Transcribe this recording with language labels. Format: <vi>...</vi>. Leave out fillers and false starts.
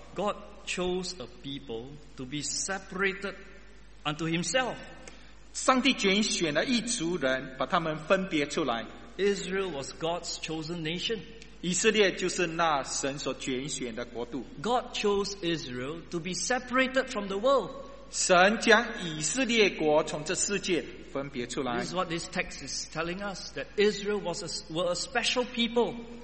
<en>God chose a people to be separated unto himself.</en> <zh>上帝拣选了一族人，把他们分别出来。</zh> <en>Israel was God's chosen nation.</en> <zh>以色列就是那神所拣选的国度。</zh> <en>God chose Israel to be separated from the world.</en> <zh>神将以色列国从这世界分别出来。</zh> <en>This is what this text is telling us, that Israel was were a special people.</en>